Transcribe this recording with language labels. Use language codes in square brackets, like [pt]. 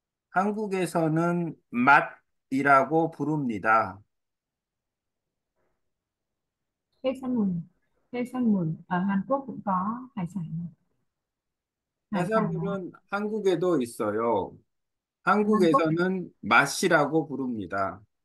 [ko] 한국에서는 맛이라고 부릅니다. [vi] 해산물 ở Hàn Quốc cũng có hải sản đó. [ko] 해산물은 한국에도 있어요. [vi] Hàn Quốc [ko] 한국에서는 맛이라고 부릅니다.